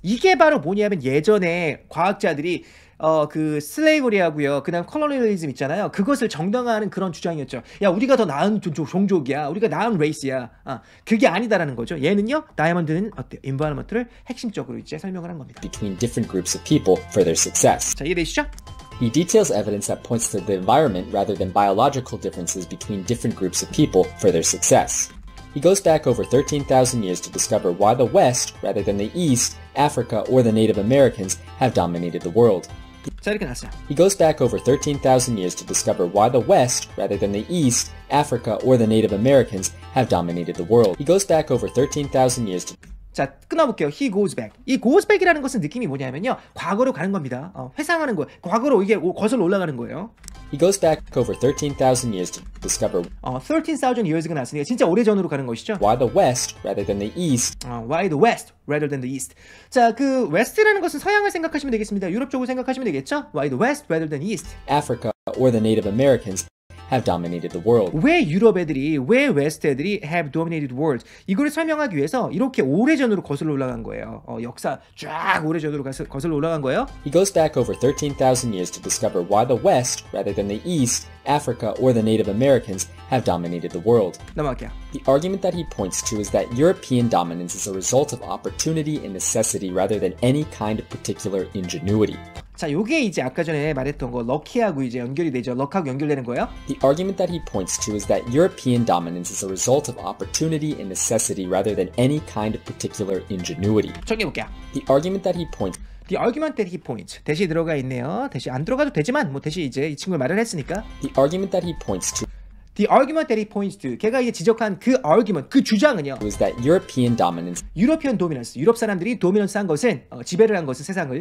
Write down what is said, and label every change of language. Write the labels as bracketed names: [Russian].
[Korean] 이게 바로 뭐냐면 예전에 과학자들이 그 슬레이버리하고요, 그다음 컬러니얼리즘 있잖아요. 그것을 정당화하는 그런 주장이었죠. 야, 우리가 더 나은 종족이야. 우리가 나은 레이스야. 아, 그게 아니다라는 거죠. 얘는요, 다이아몬드는 어때요? 인바이러먼트를 핵심적으로 이제 설명을 한 겁니다. [English] Between different groups of people for their success. [Korean] 자, 이해되시죠? [English] He details evidence that points to the environment rather than biological differences between different groups of people for their success. He goes back over 13,000 years to discover why the West, rather than the East, Africa, or the Native Americans, have dominated the world. [Korean] 자, 이렇게 나왔어요. [English] He goes back over 13,000 years to discover why the West, rather than the East, Africa, or the Native Americans, have dominated the world. He goes back over 13,000 years to... [Korean] 자, 끊어볼게요. [English] He goes back. [Korean] 이 goes back이라는 것은 느낌이 뭐냐면요. 과거로 가는 겁니다. 회상하는 거예요. 과거로 이게 거슬러 올라가는 거예요. He goes back over 13,000 years to discover 13,000 years가 나왔으니까 진짜 오래전으로 가는 것이죠. [English] Why the West rather than the East? Why the West rather than the East? [Korean] 자, 그 West라는 것은 서양을 생각하시면 되겠습니다. 유럽 쪽을 생각하시면 되겠죠? [English] Why the West rather than the East? Africa or the Native Americans have dominated the world. [Korean] 왜 유럽 애들이, 왜 West 애들이 [English] have dominated the world? [Korean] 이걸 설명하기 위해서 이렇게 오래전으로 거슬러 올라간 거예요. 역사 쫙 오래전으로 거슬러 올라간 거예요. [English] He goes back over 13,000 years to discover why the West, rather than the East, Africa, or the Native Americans have dominated the world. [Korean] 넘어갈게요. [English] The argument that he points to is that European dominance is a result of opportunity and necessity rather than any kind of particular ingenuity. [Korean] 자, 요게 이제 아까 전에 말했던 거 럭키하고 이제 연결이 되죠. 럭하고 연결되는 거예요. [English] The argument that he points to is that European dominance is a result of opportunity and necessity rather than any kind of particular ingenuity. [Korean] 정리해 볼게요. [English] The argument that he points The argument that he points. [Korean] 대시 들어가 있네요. 대시 안 들어가도 되지만 뭐 대시 이제 이 친구를 말을 했으니까. [English] The argument that he points to The argument that he points to. [Korean] 걔가 이제 지적한 그 argument, 그 주장은요. [English] Is that European dominance. European dominance. [Korean] 유럽 사람들이 dominance 한 것은 지배를 한 것은 세상을.